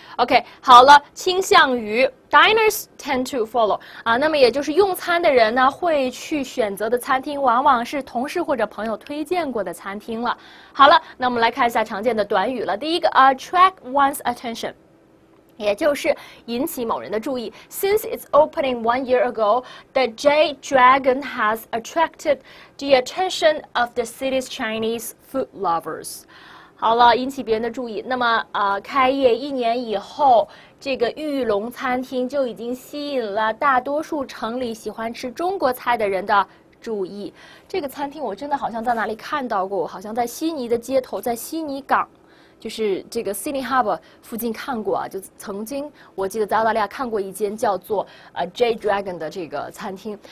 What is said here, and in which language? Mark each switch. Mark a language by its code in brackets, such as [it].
[zh] OK， 好了，倾向于 [en] diners tend to follow [zh] 啊，那么也就是用餐的人呢会去选择的餐厅，往往是同事或者朋友推荐过的餐厅了。好了，那我们来看一下常见的短语了。第一个 [en] attract one's attention。 [zh] 也就是引起某人的注意。 [en] Since its opening 1 year ago, the Jade Dragon has attracted the attention of the city's Chinese food lovers. [zh] 好了，引起别人的注意。那么，开业一年以后，这个玉龙餐厅就已经吸引了大多数城里喜欢吃中国菜的人的注意。这个餐厅我真的好像在哪里看到过，好像在悉尼的街头，在悉尼港，就是这个 City Harbour 附近看过啊，就曾经我记得在澳大利亚看过一间叫做J Dragon 的这个餐厅。